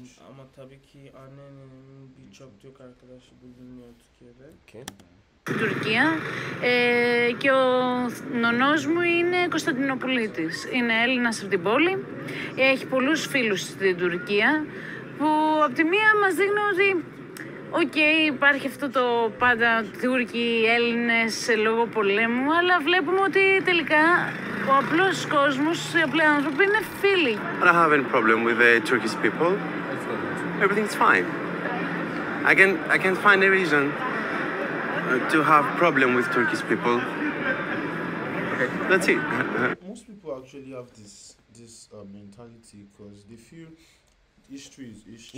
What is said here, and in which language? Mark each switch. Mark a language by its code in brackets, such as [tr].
[tr] Ama tabii ki annenin birçok Türk arkadaşı bulunuyor Türkiye'de. [en] Okay. [el] Τουρκία και ο νονός μου είναι Κωνσταντινοπολίτης. Είναι Έλληνας από την πόλη. Έχει πολλούς φίλους στην Τουρκία που από τη μία μας δείχνουν ότι okay, υπάρχει αυτό το πάντα Τούρκοι, Έλληνες λόγω πολέμου, αλλά βλέπουμε ότι τελικά ο απλός κόσμος, οι απλοί άνθρωποι είναι φίλοι. [en] I don't have any problem with the Turkish people. Everything's fine. I can't find a reason to have problem with Turkish people. Okay. That's it. Most people actually have this mentality because they feel history is history.